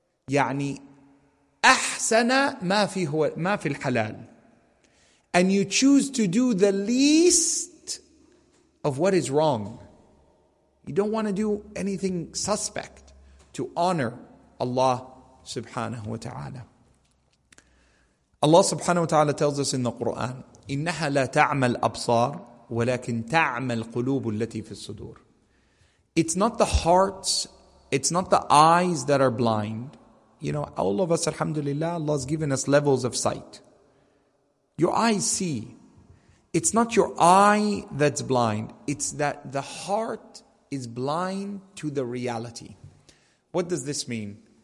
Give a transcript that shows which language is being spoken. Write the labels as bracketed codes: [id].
[ar] يعني أحسن ما في الحلال. [en] And you choose to do the least of what is wrong. You don't want to do anything suspect to honor Allah subhanahu wa ta'ala. Allah subhanahu wa ta'ala tells us in the Quran, [ar] إِنَّهَا لَا تَعْمَ الْأَبْصَارِ وَلَكِنْ تَعْمَ الْقُلُوبُ الَّتِي فِي الصُّدُورِ. [en] It's not the hearts, it's not the eyes that are blind. You know, all of us, alhamdulillah, Allah's given us levels of sight. Your eyes see. It's not your eye that's blind. It's that the heart is blind to the reality. What does this mean?